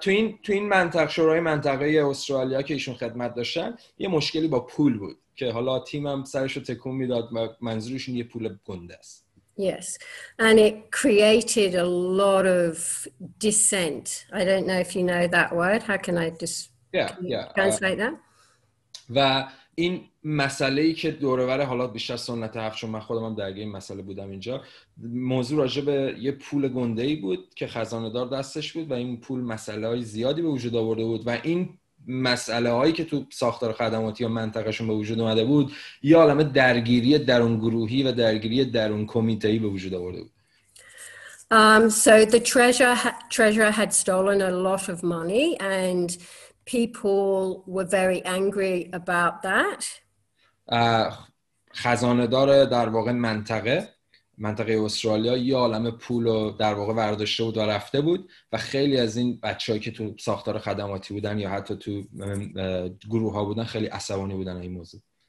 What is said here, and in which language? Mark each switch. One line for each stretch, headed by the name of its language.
Persian: تو این منطقه شورای منطقه استرالیا که ایشون خدمت داشتن یه مشکلی با پول بود که حالا تیم هم سرش رو تکون میداد و منظورشون یه پول گنده است.
English: Yes, and it created a lot of dissent. I don't know if you know that word. How can I translate that?
Persian: و این مسئله ای که دوروبر حالا بیشتر سنت هفت چون من خودم هم درگیر این مسئله بودم اینجا موضوع راجع به یه پول گنده ای بود که خزانه دار دستش بود و این پول مسئله های زیادی به وجود آورده بود و این مسئله هایی که تو ساختار خدماتی یا منطقهشون به وجود اومده بود یا علامه درگیری درون گروهی و درگیری درون کمیته ای به وجود آورده بود.
English: So the treasurer had stolen a lot of money and people were very angry about that.
Persian: خزانه دار در واقع منطقه استرالیا یه عالمه پول رو در واقع برداشته بود و رفته بود و خیلی از این بچه‌هایی که تو ساختار خدماتی بودن یا حتی تو گروه‌ها بودن خیلی عصبانی بودن این موضوع.